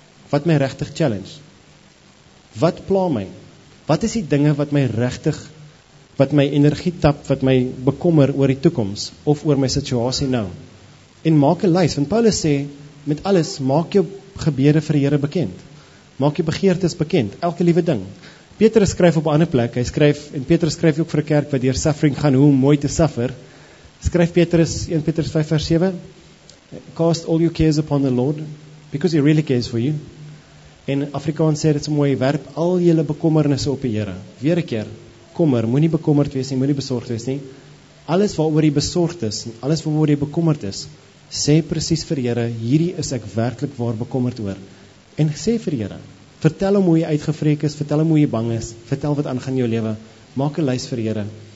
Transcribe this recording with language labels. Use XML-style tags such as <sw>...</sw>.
<af>Wat my regtig challenge? Wat pla my? Wat is die dinge wat my regtig, wat my energie tap, wat my bekommer oor die toekoms, of oor my situasie nou? En maak 'n lys, want Paulus sê, met alles, maak jou gebede vir die Here bekend. Maak jou begeertes bekend, elke liewe ding. Petrus skryf op 'n ander plek, Petrus skryf ook vir 'n kerk wat deur suffering gaan, hoe mooi te suffer. Skryf Petrus, 1 Petrus 5 vers 7,</af> <en>cast all your cares upon the Lord, because he really cares for you.</en> <af>En Afrikaans sê dit so mooi, werp al julle bekommernisse op die Here. Weer 'n keer, kommer, moenie bekommerd wees nie, moenie besorgd wees nie. Alles waaroor jy besorgd is, en alles waaroor jy bekommerd is, sê presies vir die Here, hierdie is ek werklik waar bekommerd oor. En sê vir die Here, vertel hom hoe jy uitgevreek is, vertel hom hoe jy bang is, vertel wat aangaan jou lewe, maak 'n lys vir die Here.</af>